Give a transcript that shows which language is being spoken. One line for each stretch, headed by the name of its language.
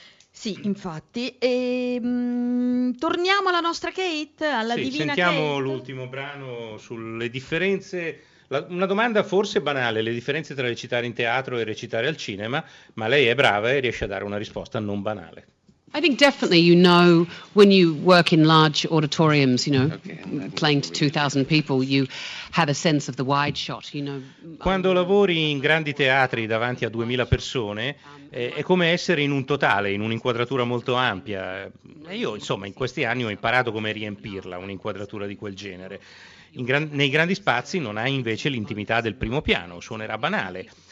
Italian: Sì, infatti. E, torniamo alla nostra Kate, alla sì, divina sentiamo Kate. L'ultimo brano sulle differenze. Una domanda forse banale, le differenze tra recitare in teatro e recitare al cinema, ma lei è brava e riesce a dare una risposta non banale.
English: I think definitely you know when you work in large auditoriums, you know, okay, playing to 2,000 people, you have a sense of the wide shot, you know.
Italian: Quando lavori in grandi teatri davanti a 2,000 persone, è come essere in un totale, in un'inquadratura molto ampia. E io, insomma, in questi anni ho imparato come riempirla, un'inquadratura di quel genere. Nei grandi spazi non hai invece l'intimità del primo piano, suonerà banale.